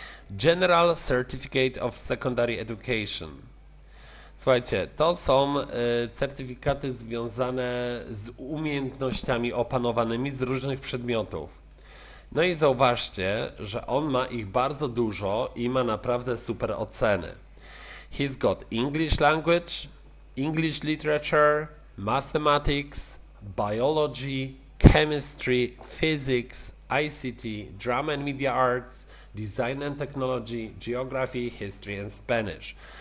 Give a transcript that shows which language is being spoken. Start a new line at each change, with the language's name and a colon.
English: General Certificate of Secondary Education.
Polish: Słuchajcie, to są certyfikaty związane z umiejętnościami opanowanymi z różnych przedmiotów. No i zauważcie, że on ma ich bardzo dużo i ma naprawdę super oceny.
English: He's got English language, English literature, mathematics, biology, chemistry, physics, ICT, drama and media arts, design and technology, geography, history and Spanish.